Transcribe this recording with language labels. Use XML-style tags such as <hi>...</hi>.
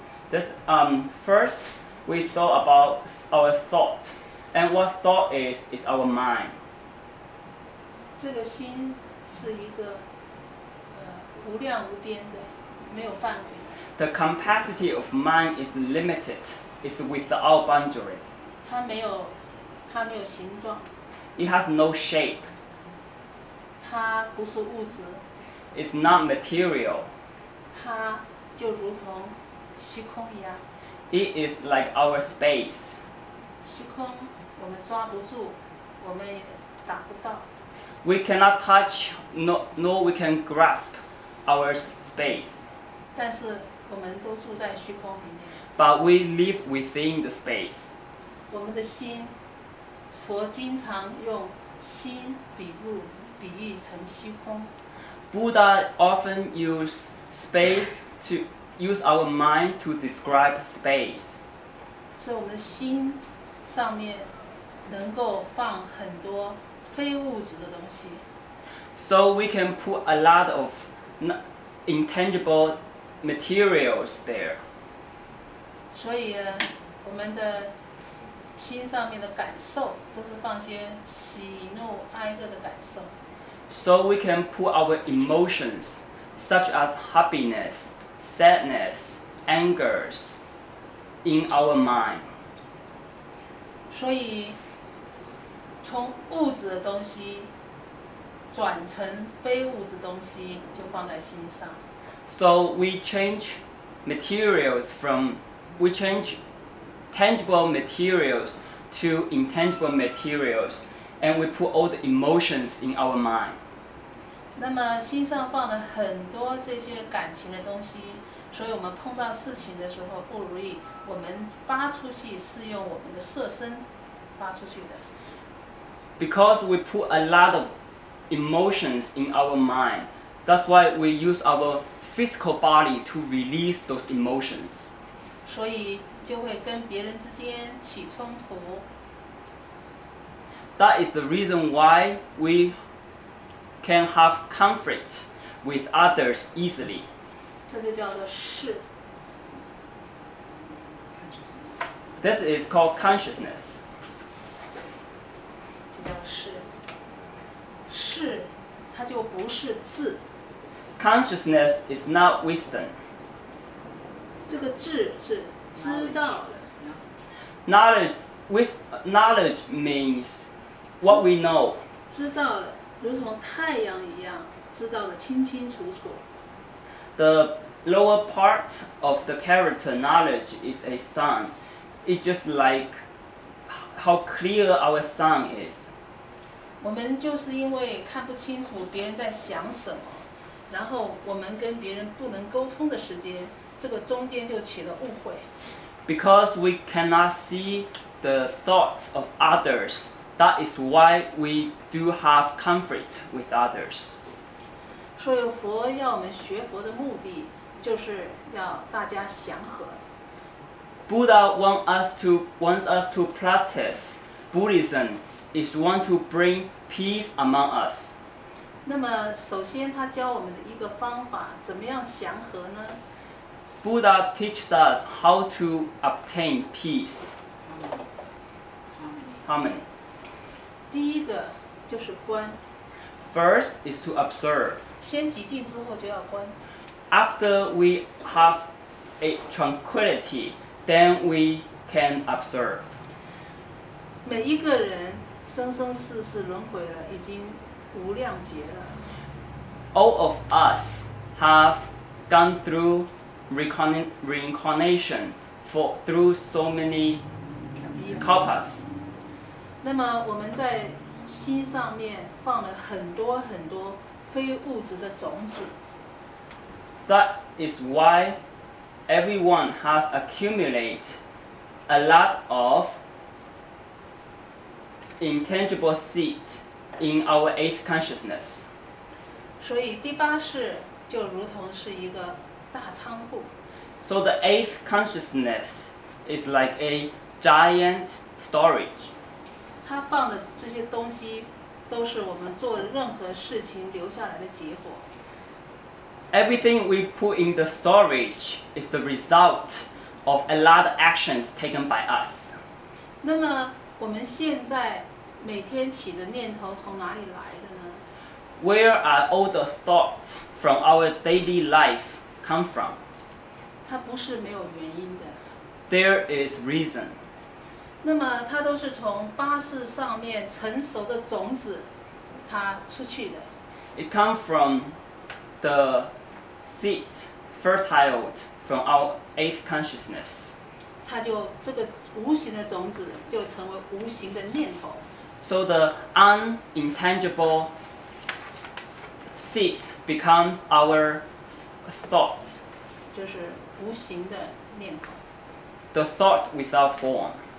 <en>This, first, we thought about our thought, and what thought is our mind.</en> <zh>这个心是一个无量无边的，没有范围。</zh> <en>The capacity of mind is limited, it's without boundary.</en> <zh>它没有形状。</zh> <en>It has no shape.</en> <zh>它不是物质。</zh> <en>It's not material.</en> <zh>它就如同虚空一样。</zh> <en>It is like our space.</en> <zh>虚空，我们抓不住，我们也打不到。</zh> <en>We cannot touch, nor we can grasp our space.</en> <zh>但是我们都住在虚空里面。</zh> <en>But we live within the space.</en> <zh>我们的心，佛经常用心比喻成虚空。</zh> <en>Buddha often use space to. Use our mind to describe space.</en> <zh>所以我们的心上面能够放很多非物质的东西。</zh> <en>So we can put a lot of intangible materials there.</en> <zh>所以我们的心上面的感受都是放些喜怒哀乐的感受。</zh> <en>So we can put our emotions, such as happiness,Sadness, angers in our mind.</en> <zh>所以从物质的东西转成非物质东西就放在心上。</zh> <en>So we change materials from, we change tangible materials to intangible materials, and we put all the emotions in our mind.</en> <zh>那么心上放了很多这些感情的东西，所以我们碰到事情的时候不如意，我们发出去是用我们的色身发出去的。</zh> <en>Because we put a lot of emotions in our mind, that's why we use our physical body to release those emotions.</en> <zh>所以就会跟别人之间起冲突。</zh> <en>That is the reason why we can have conflict with others easily.</en> <zh>这就叫做是。</zh> <en>This is called consciousness.</en> <zh>是，它就不是智。</zh> <en>Consciousness is not wisdom.</en> <zh>这个智是知道的。</zh> <en>Knowledge means what we know.</en> <zh>知道了，如同太阳一样，知道的清清楚楚。</zh> <en>The lower part of the character knowledge is a sun. It's just like how clear our sun is.</en> <zh>我们就是因为看不清楚别人在想什么，然后我们跟别人不能沟通的时间，这个中间就起了误会。</zh> <en>Because we cannot see the thoughts of others, that is why we do have conflict with others.</en> <zh>所以佛要我们学佛的目的，就是要大家祥和。</zh> <en>Buddha wants us to practice Buddhism. Is want to bring peace among us.</en> <zh>那么首先他教我们的一个方法，怎么样祥和呢？</zh> <en>Buddha teaches us how to obtain peace. Harmony.</en> <zh>第一个就是观。</zh> <en>First is to observe.</en> <zh>先寂静之后就要观。</zh> <en>After we have a tranquility, then we can observe.</en> <zh>每一个人生生世世轮回了，已经无量劫了。</zh> <en>All of us have gone through reincarnation through so many kalpas.</en> <zh>那么我们在心上面放了很多很多非物质的种子。</zh> <en>That is why everyone has accumulated a lot of. Intangible seat in our eighth consciousness.</en> <zh>所以第八世就如同是一个大仓库。</zh> <en>So the eighth consciousness is like a giant storage.</en> <zh>它放的这些东西都是我们做任何事情留下来的结果。</zh> <en>Everything we put in the storage is the result of a lot of actions taken by us.</en> <zh>那么我们现在每天起的念头从哪里来的呢？</zh> <en>Where are all the thoughts from our daily life come from?</en> <zh>它不是没有原因的。</zh> <en>There is reason.</en> <zh>那么它都是从八世上面成熟的种子它出去的。</zh> <en>It comes from the seeds fertile from our eighth consciousness.</en> <zh>它就这个无形的种子就成为无形的念头。</zh> <en>So the unintangible seeds becomes our thought.</en> <zh>就是无形的念头。</zh> <en>The thought without form.</en>